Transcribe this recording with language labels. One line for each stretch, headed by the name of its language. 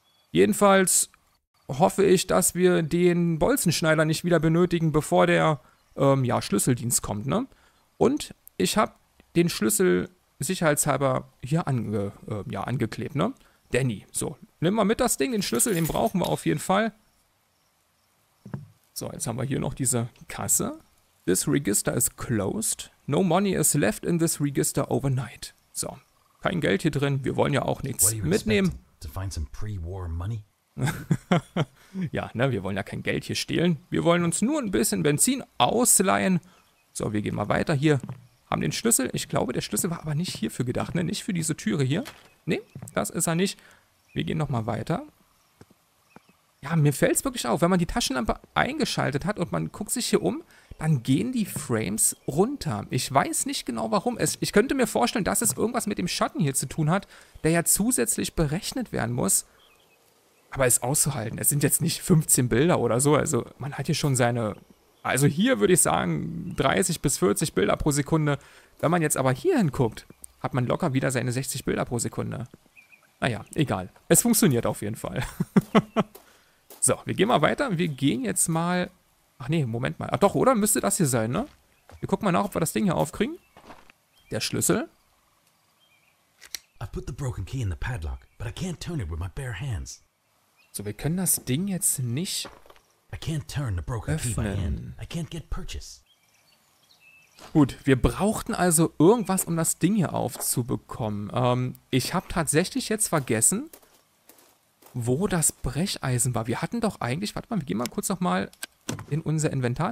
German: Jedenfalls hoffe ich, dass wir den Bolzenschneider nicht wieder benötigen, bevor der Schlüsseldienst kommt, ne? Und ich habe den Schlüssel sicherheitshalber hier angeklebt, ne? Danny, so, nimm mal mit das Ding, den Schlüssel, den brauchen wir auf jeden Fall. So, jetzt haben wir hier noch diese Kasse.
English: This register is closed. No money is left in this register overnight.
German: So, kein Geld hier drin, wir wollen ja auch nichts mitnehmen.
English: To find some pre-war money?
German: Ja, ne, wir wollen ja kein Geld hier stehlen. Wir wollen uns nur ein bisschen Benzin ausleihen. So, wir gehen mal weiter hier. Haben den Schlüssel. Ich glaube, der Schlüssel war aber nicht hierfür gedacht, ne? Nicht für diese Türe hier. Nee, das ist er nicht. Wir gehen nochmal weiter. Ja, mir fällt es wirklich auf. Wenn man die Taschenlampe eingeschaltet hat und man guckt sich hier um, dann gehen die Frames runter. Ich weiß nicht genau, warum. Ich könnte mir vorstellen, dass es irgendwas mit dem Schatten hier zu tun hat, der ja zusätzlich berechnet werden muss. Aber ist auszuhalten. Es sind jetzt nicht 15 Bilder oder so. Also man hat hier schon seine... Also hier würde ich sagen 30 bis 40 Bilder pro Sekunde. Wenn man jetzt aber hier hinguckt, hat man locker wieder seine 60 Bilder pro Sekunde. Naja, egal. Es funktioniert auf jeden Fall. So, wir gehen mal weiter. Wir gehen jetzt mal... Ach nee, Moment mal. Ach doch, oder? Müsste das hier sein, ne? Wir gucken mal nach, ob wir das Ding hier aufkriegen. Der Schlüssel.
English: I've put the broken key in the padlock, but I can't turn it with my bare hands.
German: So, wir können das Ding jetzt nicht
English: I can't turn the broken
German: öffnen.
English: Key by hand. I can't get purchase.
German: Gut, wir brauchten also irgendwas, um das Ding hier aufzubekommen. Ich habe tatsächlich jetzt vergessen, wo das Brecheisen war. Wir hatten doch eigentlich, warte mal, wir gehen mal kurz nochmal in unser Inventar.